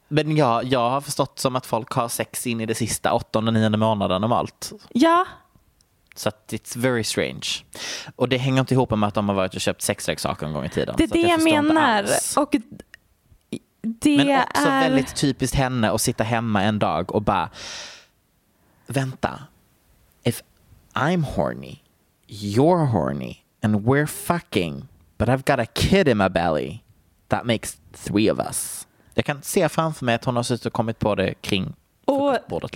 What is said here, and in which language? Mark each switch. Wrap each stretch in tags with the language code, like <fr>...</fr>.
<sv>Men ja, jag har förstått som att folk har sex in i det sista 8-9 månaderna om allt. Ja. Så att</sv> <en>it's very strange.</en> <sv>Och det hänger inte ihop med att de har varit och köpt sexleksaker en gång i tiden. Det är det jag menar. Och det men också är... väldigt typiskt henne att sitta hemma en dag och bara vänta.</sv> <en>If I'm horny, you're horny, and we're fucking, but I've got a kid in my belly, that makes three of us.</en> <sv>Jag kan se framför mig att hon har suttit och kommit på det kring bordet.</sv>